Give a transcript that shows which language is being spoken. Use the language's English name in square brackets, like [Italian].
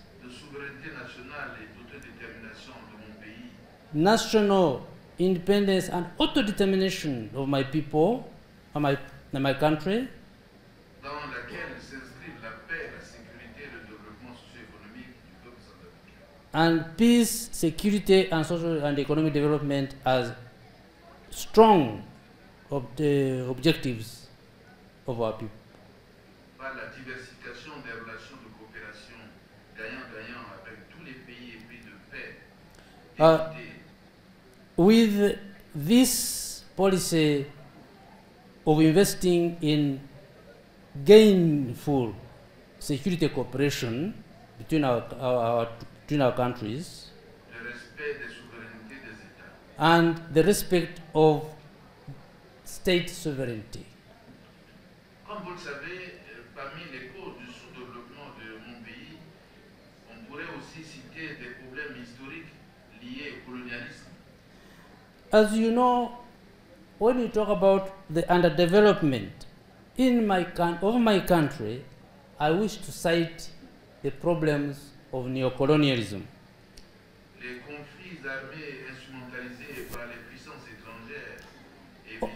[French] de souveraineté nationale et d'autodétermination de mon pays, [English] national independence and autodetermination of my people, of my country, [French] dans laquelle s'inscrivent la paix, la sécurité et le développement socio-économique du peuple centrafricain, [English] and peace, security and social and economic development as strong of the objectives of our people. [French] Par la diversification des relations de coopération gagnant-gagnant avec tous les pays en vue de paix. [English] With this policy of investing in gainful security cooperation between our countries, [French] le respect des souverainetés des États, [English] and the respect of state sovereignty. [French] Comme vous le savez, parmi les causes du sous-développement de mon pays, on pourrait aussi citer des problèmes historiques liés au colonialisme. [English] As you know, when you talk about the underdevelopment in my of my country, I wish to cite the problems of neocolonialism. [French] Les conflits armés instrumentalisés par les puissances étrangères.